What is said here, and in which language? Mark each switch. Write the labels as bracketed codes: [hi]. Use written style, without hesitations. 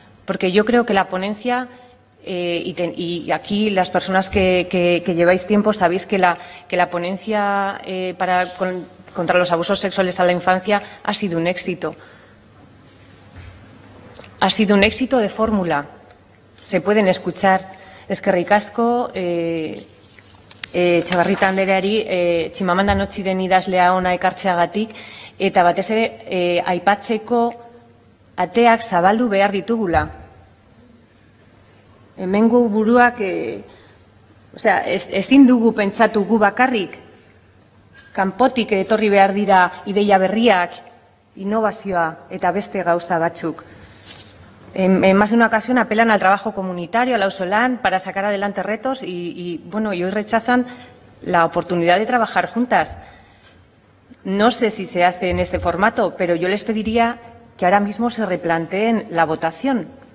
[es] Porque yo creo que la ponencia, y aquí las personas que lleváis tiempo sabéis que la ponencia contra los abusos sexuales a la infancia ha sido un éxito. Ha sido un éxito de fórmula. Se pueden escuchar. [eu] Eskerrik asko, Etxebarrieta Andereari, Chimamanda Ngozi-ren idazlea ona ekartzeagatik, eta batez ere aipatzeko ateak zabaldu behar ditugula. Hemengo buruak, ezin dugu pentsatu gu bakarrik, kanpotik etorri behar dira ideia berriak, innovazioa eta beste gauza batzuk. [es] En más de una ocasión apelan al trabajo comunitario, al Ausolan, para sacar adelante retos y hoy rechazan la oportunidad de trabajar juntas. No sé si se hace en este formato, pero yo les pediría que ahora mismo se replanteen la votación.